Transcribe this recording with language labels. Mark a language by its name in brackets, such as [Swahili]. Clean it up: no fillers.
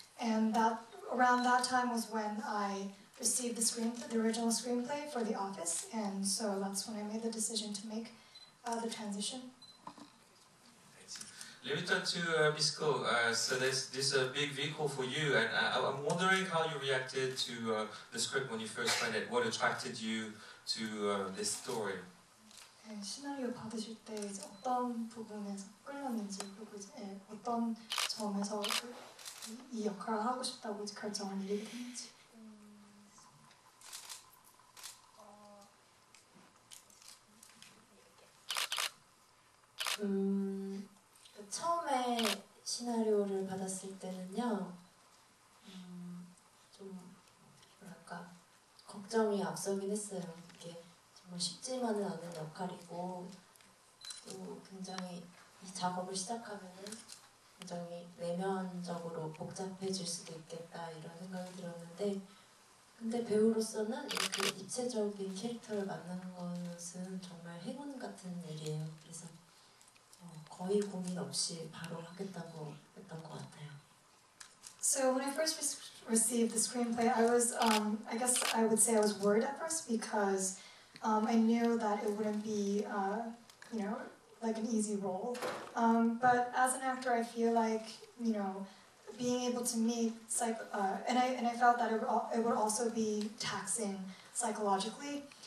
[English] And that around that time was when I received the original screenplay for The Office, and so that's when I made the decision to make the transition. Let me talk to Ms. Ko. So this is a big vehicle for you, and I'm wondering how you reacted to the script when you first read it. What attracted you to this story? [Korean] 시나리오 받으실 때 이제 어떤 부분에서 끌렸는지 그리고 이제 어떤 점에서 이 역할을 하고 싶다고 결정한 일이 됐는지. 처음에 시나리오를 받았을 때는요, 좀 뭐랄까 걱정이 앞서긴 했어요. 이게 정말 쉽지만은 않은 역할이고 또 굉장히 이 작업을 시작하면은 굉장히 내면적으로 복잡해질 수도 있겠다 이런 생각이 들었는데, 근데 배우로서는 이렇게 입체적인 캐릭터를 만나는 것은 정말 행운 같은 일이에요. 그래서 거의 고민 없이 바로 하겠다고 했던 것 같아요. [English] So when I first received the screenplay, I was, I guess I would say I was worried at first because I knew that it wouldn't be, you know, like an easy role. But as an actor, I feel like, you know, being able to meet, and I felt that it would also be taxing psychologically.